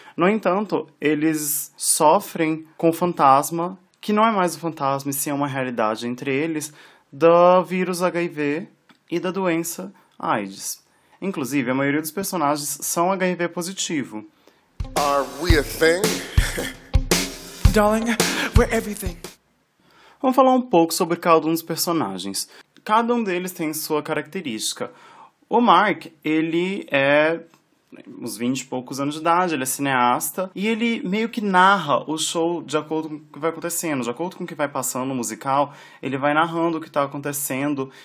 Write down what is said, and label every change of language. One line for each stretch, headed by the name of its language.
Portuguese: No entanto, eles sofrem com o fantasma, que não é mais um fantasma, e sim é uma realidade entre eles, do vírus HIV e da doença AIDS. Inclusive, a maioria dos personagens são HIV positivo.
English: Are we a thing? Darling, we're everything.
Portuguese: Vamos falar um pouco sobre cada um dos personagens. Cada um deles tem sua característica. O Mark, ele é uns 20 e poucos anos de idade, ele é cineasta, e ele meio que narra o show de acordo com o que vai acontecendo. De acordo com o que vai passando no musical, ele vai narrando o que está acontecendo.